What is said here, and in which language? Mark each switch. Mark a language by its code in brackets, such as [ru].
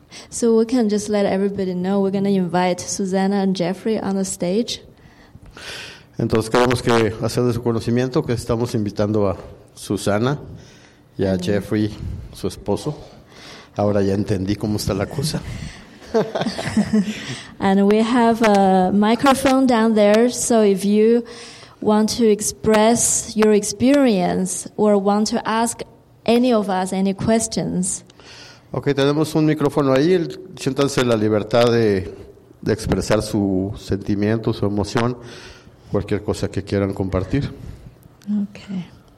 [en] So we can just let everybody know we're going to invite Susanna and Jeffrey on the stage. [es] Entonces queremos que hacer de su conocimiento que estamos invitando a Susana y a Jeffrey, su esposo. Ahora ya entendí cómo está la cosa. [en] And we have a microphone down there, so if you want to express your experience or want to ask any of us any questions. [es] Okay, tenemos un micrófono ahí, siéntanse la libertad de expresar su sentimiento, su emoción. Cualquier cosa que quieran compartir. [en] Okay.